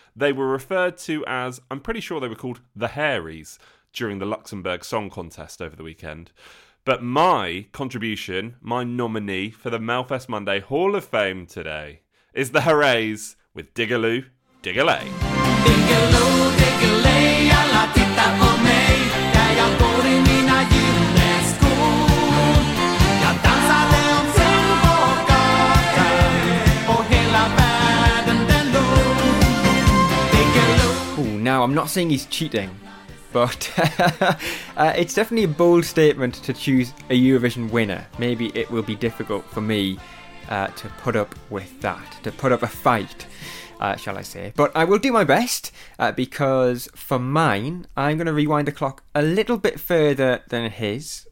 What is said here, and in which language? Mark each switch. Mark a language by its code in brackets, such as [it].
[en] They were referred to as, I'm pretty sure they were called the Hairies during the Luxembourg Song Contest over the weekend. But my contribution, my nominee for the Melfest Monday Hall of Fame today is the Hairies with Diggaloo, Diggalay. [sv] Diggaloo, diggalay, alla titta på mig. Där jag går i mina gyllene skor. Jag dansade omkring på gatan. Och hela världen den låg. Diggaloo. [en] Oh, now I'm not saying he's cheating, but it's definitely a bold statement to choose a Eurovision winner. Maybe it will be difficult for me to put up with that, to put up a fight. Shall I say. But I will do my best, because for mine, I'm going to rewind the clock a little bit further than his.